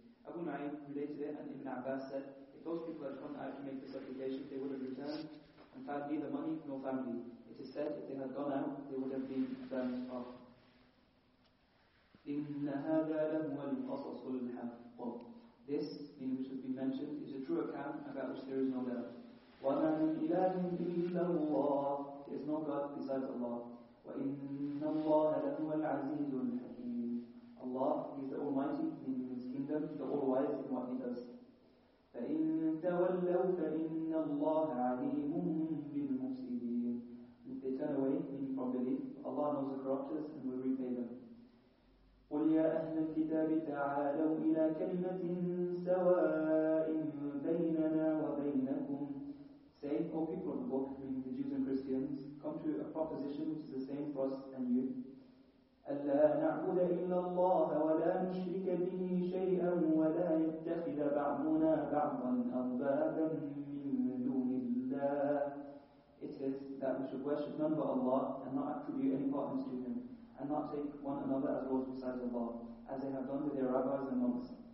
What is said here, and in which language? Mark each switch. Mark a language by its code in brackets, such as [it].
[en] Abu Naim related it, and Ibn Abbas said, If those people had gone out to make the supplication, they would have returned and found neither money nor family. It is said, if they had gone out, they would have been burned off. [ar] إن هذا لهو القصص الحق. [en] This, which has been mentioned, is a true account about which there is no doubt. [ar] وما من إله إلا الله. [en] There is no God besides Allah. [ar] وإن الله لهو العزيز الحكيم. [en] Allah, He is the Almighty in His kingdom, the All Wise in what He does. [ar] فإن تولوا فإن الله عليم بالمفسدين. [en] If they turn away, meaning from belief, Allah knows the corruptors and will repay them. [ar] قل يا أهل الكتاب تعالوا إلى كلمة سواء بيننا وبينكم [en] Say, O people of the book, meaning the Jews and Christians, come to a proposition which is the same for us and you. [ar] ألا نعبد إلا الله ولا نشرك به شيئا ولا يتخذ بعضنا بعضا أربابا من دون الله [en] It says that we should worship none but Allah and not attribute any partners to him. And not take one another as lords besides Allah, as they have done with their rabbis and monks.